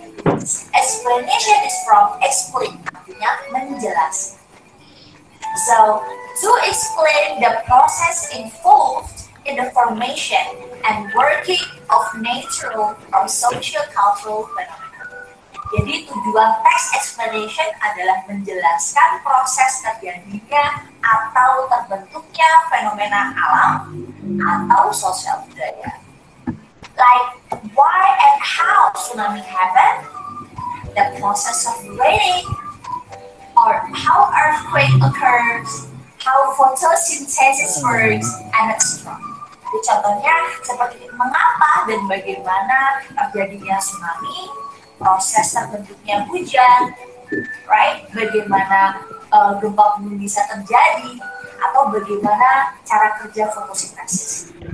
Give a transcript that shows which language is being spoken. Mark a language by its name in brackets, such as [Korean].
[English] Explanation is from explain, [Indonesian] artinya menjelaskan. [English] So, to explain the process involved in the formation and working of natural or socio-cultural phenomena. [Indonesian] Jadi tujuan text explanation adalah menjelaskan proses terjadinya atau terbentuknya fenomena alam atau sosial budaya. [English] Like why and how tsunami happened, the process of raining, or how earthquake occurs, how photosynthesis works, and etc. [Indonesian] Contohnya seperti mengapa dan bagaimana terjadinya tsunami, proses terbentuknya hujan, right? Bagaimana gempa bumi bisa terjadi atau bagaimana cara kerja fotosintesis.